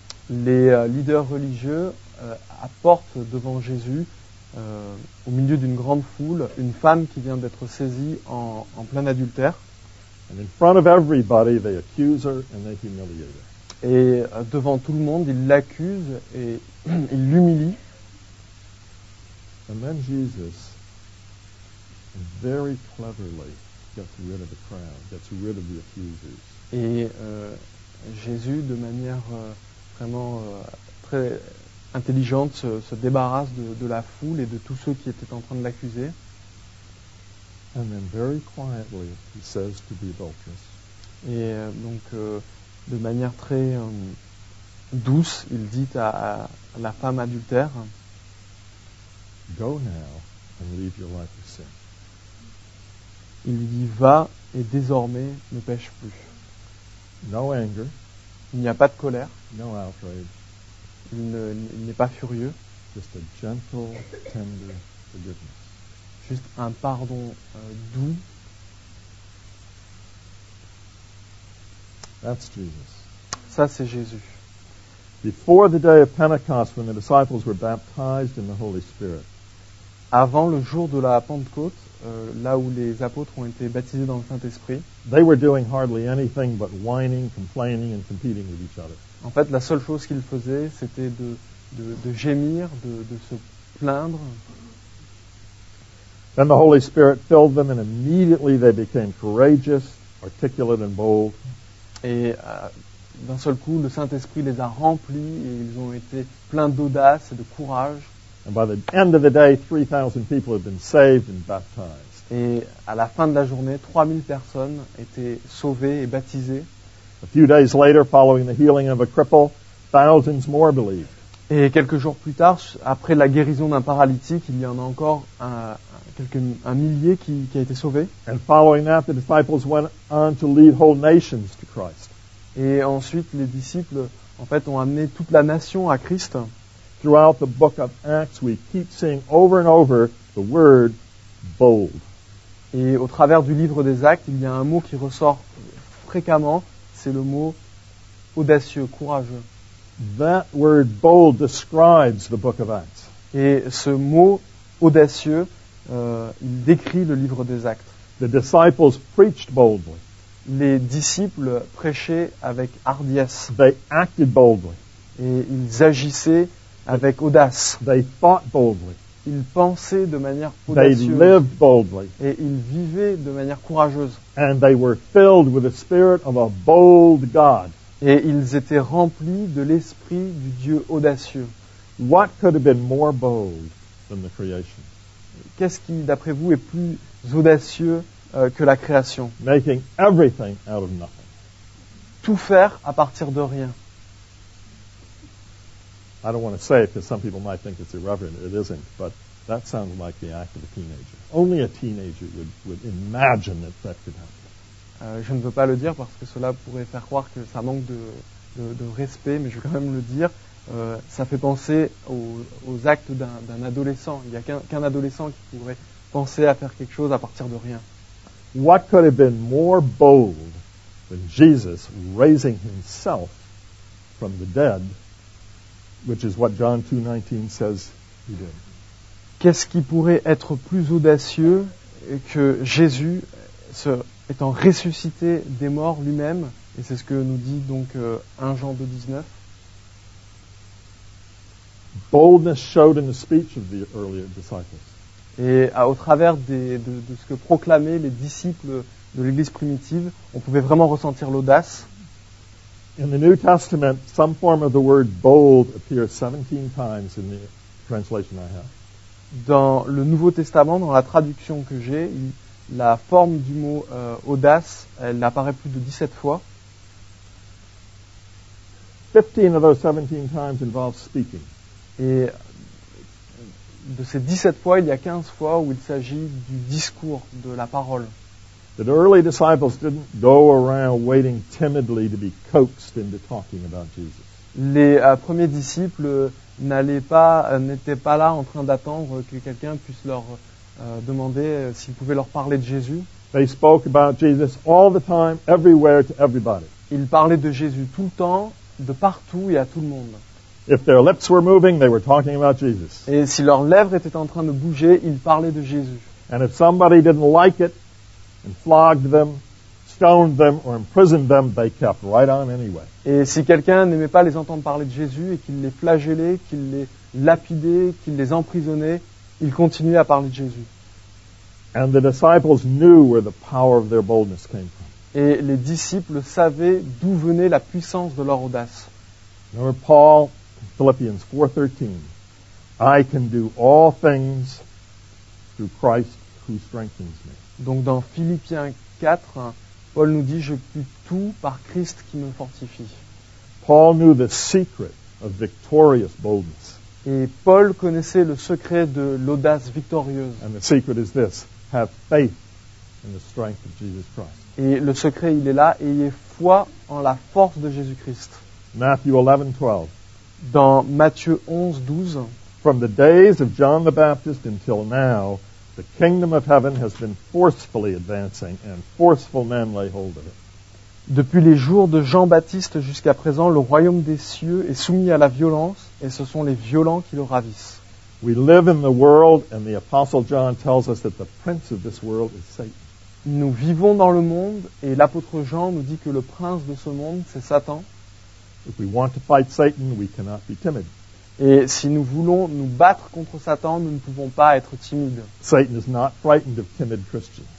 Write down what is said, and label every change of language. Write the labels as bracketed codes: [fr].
[fr] Les leaders religieux apportent devant Jésus, au milieu d'une grande foule, une femme qui vient d'être saisie en plein adultère. [en] And in front of everybody, they accuse her and they humiliate her. [fr] Et devant tout le monde, ils l'accusent et ils l'humilient. [en] And then Jesus, very cleverly, gets rid of the crowd, gets rid of the accusers. [fr] Et Jésus, de manière vraiment très intelligente, se débarrasse de la foule et de tous ceux qui étaient en train de l'accuser. [en] And then very quietly he says to the adulteress. [fr] Et donc, de manière très douce, il dit à la femme adultère, [en] go now and leave your life of sin. [fr] Il lui dit, va et désormais ne pêche plus. [en] No anger. [fr] Il n'y a pas de colère. [en] No outrage. [fr] Il n'est pas furieux. [en] Just a gentle, tender forgiveness. [fr] Juste un pardon doux. [en] That's Jesus. [fr] Ça, c'est Jésus. [en] Before the day of Pentecost, when the disciples were baptized in the Holy Spirit. [fr] Avant le jour de la Pentecôte, là où les apôtres ont été baptisés dans le Saint-Esprit. [en] They were doing hardly anything but whining, complaining, and competing with each other. [fr] En fait, la seule chose qu'ils faisaient, c'était de gémir, de se plaindre. [en] Then the Holy Spirit filled them, and immediately they became courageous, articulate, and bold. [fr] Et d'un seul coup, le Saint-Esprit les a remplis et ils ont été pleins d'audace et de courage. [en] And by the end of the day, 3,000 people had been saved and baptized. [fr] Et à la fin de la journée, 3,000 personnes étaient sauvées et baptisées. [en] A few days later, following the healing of a cripple, thousands more believed. [fr] Et quelques jours plus tard, après la guérison d'un paralytique, il y en a encore un millier qui a été sauvé. [en] And following that, the disciples went on to lead whole nations to Christ. [fr] Et ensuite, les disciples, en fait, ont amené toute la nation à Christ. [en] Throughout the book of Acts, we keep seeing over and over the word bold. [fr] Et au travers du livre des Actes, il y a un mot qui ressort fréquemment, c'est le mot audacieux, courageux. [en] That word bold describes the book of Acts. [fr] Et ce mot audacieux, il décrit le livre des Actes. [en] The disciples preached boldly. [fr] Les disciples prêchaient avec hardiesse. [en] They acted boldly. [fr] Et ils agissaient avec audace. [en] They thought boldly. [fr] Ils pensaient de manière audacieuse. [en] They lived boldly. [fr] Et ils vivaient de manière courageuse. [en] And they were filled with the spirit of a bold God. [fr] Et ils étaient remplis de l'esprit du Dieu audacieux. [en] What could have been more bold than the creation? [fr] Qu'est-ce qui, d'après vous, est plus audacieux que la création? [en] Making everything out of nothing. [fr] Tout faire à partir de rien. [en] I don't want to say it because some people might think it's irreverent. It isn't, but that sounds like the act of a teenager. Only a teenager would imagine that that could happen. [fr] Je ne veux pas le dire parce que cela pourrait faire croire que ça manque de respect, mais je veux quand même le dire. Ça fait penser aux actes d'un adolescent. Il n'y a qu'un adolescent qui pourrait penser à faire quelque chose à partir de rien. [en] What could have been more bold than Jesus raising himself from the dead? Which is what John 2:19 says he did. [fr] Qu'est-ce qui pourrait être plus audacieux que Jésus étant ressuscité des morts lui-même? Et c'est ce que nous dit donc 1 Jean 2:19. [en] Boldness showed in the speech of the earlier disciples. [fr] Et au travers de ce que proclamaient les disciples de l'Église primitive, on pouvait vraiment ressentir l'audace. [en] In the New Testament, some form of the word bold appears 17 times in the translation I have. [fr] Dans le Nouveau Testament, dans la traduction que j'ai, la forme du mot audace, elle apparaît plus de 17 fois. [en] 15 of those 17 times involve speaking. [fr] Et de ces 17 fois, il y a 15 fois où il s'agit du discours, de la parole. [en] The early disciples didn't go around waiting timidly to be coaxed into talking about Jesus. [fr] Les premiers disciples n'étaient pas là en train d'attendre que quelqu'un puisse leur demander s'il pouvait leur parler de Jésus. [en] They spoke about Jesus all the time, everywhere, to everybody. [fr] Ils parlaient de Jésus tout le temps, de partout et à tout le monde. [en] If their lips were moving, they were talking about Jesus. [fr] Et si leurs lèvres étaient en train de bouger, ils parlaient de Jésus. [en] And if somebody didn't like it, and flogged them, stoned them, or imprisoned them, they kept right on anyway. [fr] Et si quelqu'un n'aimait pas les entendre parler de Jésus et qu'il les flagellait, qu'il les lapidait, qu'il les emprisonnait, il continuait à parler de Jésus. [en] And the disciples knew where the power of their boldness came from. [fr] Et les disciples savaient d'où venait la puissance de leur audace. [en] Remember Paul, Philippians 4:13. I can do all things through Christ who strengthens me. [fr] Donc dans Philippiens 4, Paul nous dit « Je puis tout par Christ qui me fortifie ». [en] Paul knew the secret of victorious boldness. [fr] Et Paul connaissait le secret de l'audace victorieuse. [en] And the secret is this: have faith in the strength of Jesus Christ. [fr] Et le secret, il est là: ayez foi en la force de Jésus-Christ. [en] Matthew 11:12. [fr] Dans Matthieu 11:12. [en] From the days of John the Baptist until now, the kingdom of heaven has been forcefully advancing, and forceful men lay hold of it. [fr] Depuis les jours de Jean-Baptiste jusqu'à présent, le royaume des cieux est soumis à la violence, et ce sont les violents qui le ravissent. [en] We live in the world, and the apostle John tells us that the prince of this world is Satan. [fr] Nous vivons dans le monde, et l'apôtre Jean nous dit que le prince de ce monde, c'est Satan. [en] If we want to fight Satan, we cannot be timid. [fr] Et si nous voulons nous battre contre Satan, nous ne pouvons pas être timides. [en] Satan is not frightened of timid Christians.